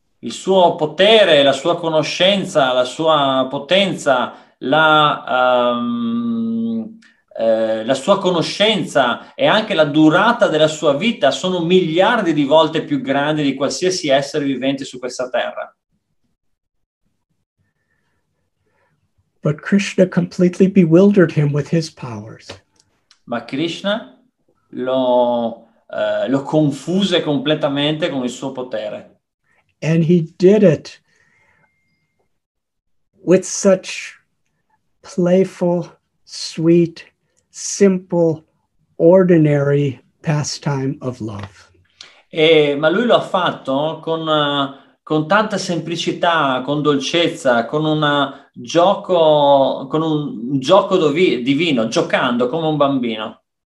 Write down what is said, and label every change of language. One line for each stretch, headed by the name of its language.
Italian: Il suo potere, la sua conoscenza, la sua potenza, la sua conoscenza e anche la durata della sua vita sono miliardi di volte più grandi di qualsiasi essere vivente su questa terra.
English: But Krishna completely bewildered him with his powers.
Italian: Ma Krishna lo confuse completamente con il suo potere.
English: And he did it with such playful, sweet, simple, ordinary pastime of love.
Italian: Ma lui lo ha fatto con tanta semplicità, con dolcezza, con un gioco divino, giocando come un bambino.